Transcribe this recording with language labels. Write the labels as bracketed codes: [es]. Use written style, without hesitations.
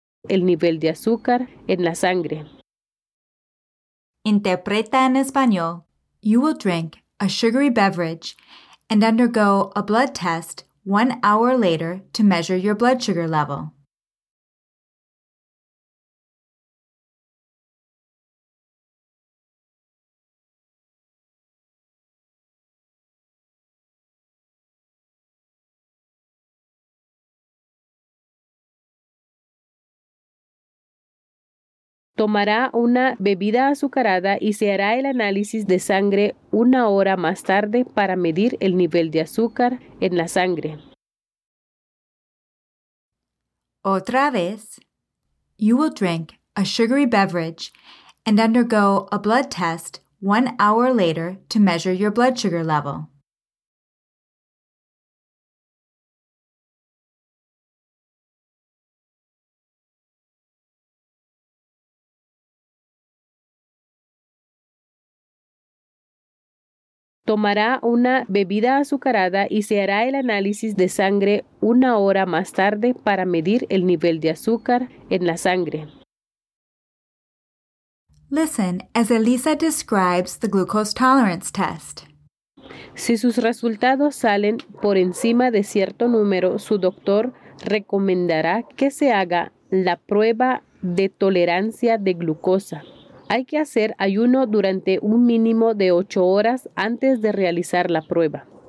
[es] El nivel de azúcar en la sangre. Interpreta en español. [en] You will drink a sugary beverage and undergo a blood test 1 hour later to measure your blood sugar level. [es] Tomará una bebida azucarada y se hará el análisis de sangre una hora más tarde para medir el nivel de azúcar en la sangre. Otra vez. [en] You will drink a sugary beverage and undergo a blood test 1 hour later to measure your blood sugar level. [es] Tomará una bebida azucarada y se hará el análisis de sangre una hora más tarde para medir el nivel de azúcar en la sangre. [en] Listen as Elisa describes the glucose tolerance test. [es] Si sus resultados salen por encima de cierto número, su doctor recomendará que se haga la prueba de tolerancia de glucosa. Hay que hacer ayuno durante un mínimo de 8 horas antes de realizar la prueba.